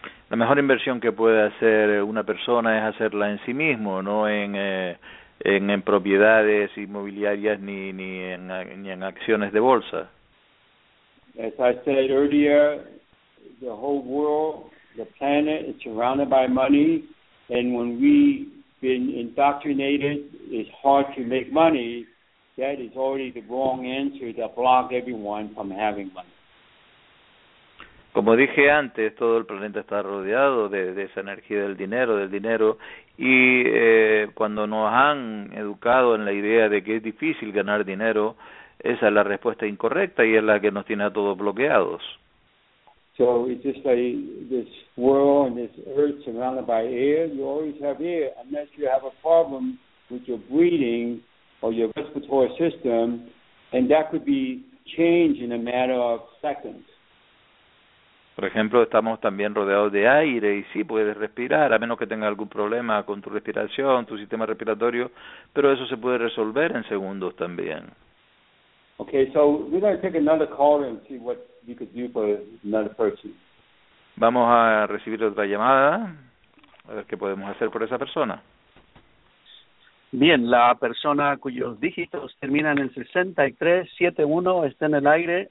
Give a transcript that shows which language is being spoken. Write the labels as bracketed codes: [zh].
[es] La mejor inversión que puede hacer una persona es hacerla en sí mismo, no en propiedades inmobiliarias ni en acciones de bolsa. [en] As I said earlier, the whole world, the planet is surrounded by money, and when we've been indoctrinated, it's hard to make money. That is already the wrong answer that blocks everyone from having money. [es] Como dije antes, todo el planeta está rodeado de esa energía del dinero, y cuando nos han educado en la idea de que es difícil ganar dinero, esa es la respuesta incorrecta y es la que nos tiene a todos bloqueados. [en] So it's just like this world and this earth surrounded by air. You always have air unless you have a problem with your breathing or your respiratory system, and that could be changed in a matter of seconds. [es] Por ejemplo, estamos también rodeados de aire, y sí, puedes respirar, a menos que tengas algún problema con tu respiración, tu sistema respiratorio, pero eso se puede resolver en segundos también. [en] Okay, so we're going to take another call and see what you could do for another person. [es] Vamos a recibir otra llamada, a ver qué podemos hacer por esa persona. Bien, la persona cuyos dígitos terminan en 6371 está en el aire.